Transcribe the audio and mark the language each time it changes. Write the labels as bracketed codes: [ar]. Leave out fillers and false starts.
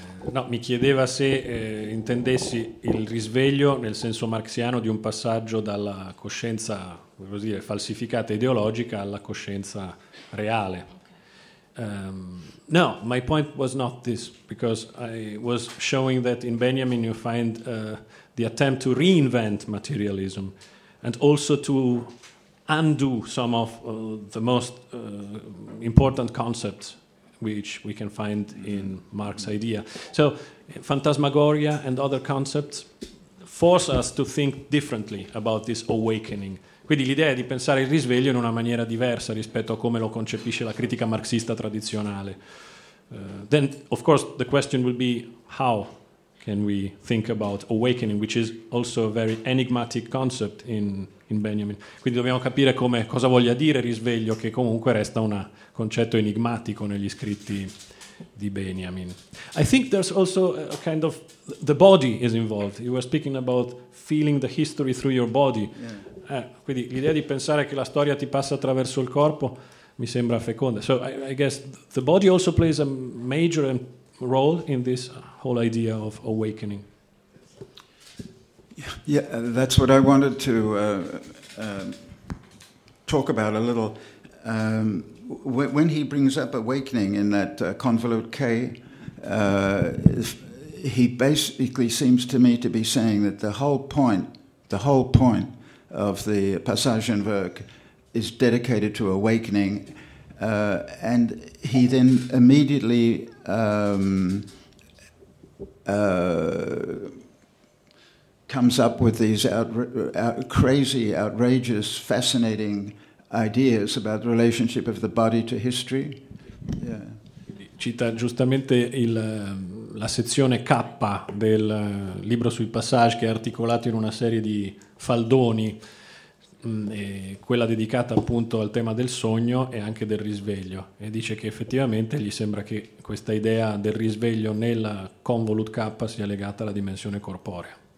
[it] No, mi chiedeva se intendessi il risveglio nel senso marxiano di un passaggio dalla coscienza, così dire, falsificata ideologica alla coscienza reale. [en] No, my point was not this, because I was showing that in Benjamin you find the attempt to reinvent materialism and also to undo some of the most important concepts which we can find in Marx's idea. So, phantasmagoria and other concepts force us to think differently about this awakening. [it] Quindi l'idea è di pensare il risveglio in una maniera diversa rispetto a come lo concepisce la critica marxista tradizionale. [en] Then, of course, the question will be how can we think about awakening, which is also a very enigmatic concept in Benjamin. [it] Quindi dobbiamo capire come cosa voglia dire risveglio, che comunque resta un concetto enigmatico negli scritti di Benjamin. [en] I think there's also a kind of the body is involved. You were speaking about feeling the history through your body. Yeah. [it] Quindi l'idea di pensare che la storia ti passa attraverso il corpo mi sembra feconda. [en] So I guess the body also plays a major role in this whole idea of awakening. Yeah, that's what I wanted to talk about a little. When he brings up awakening in that convolute K, he basically seems to me to be saying that the whole point of the Passage in Verk is dedicated to awakening, and he then immediately comes up with these crazy, outrageous, fascinating ideas about the relationship of the body to history. Yeah. [it] Cita giustamente la sezione K del libro sui passage, che è articolato in una serie di faldoni, e quella dedicata appunto al tema del sogno e anche del risveglio, e dice che effettivamente gli sembra che questa idea del risveglio nella convolut K sia legata alla dimensione corporea.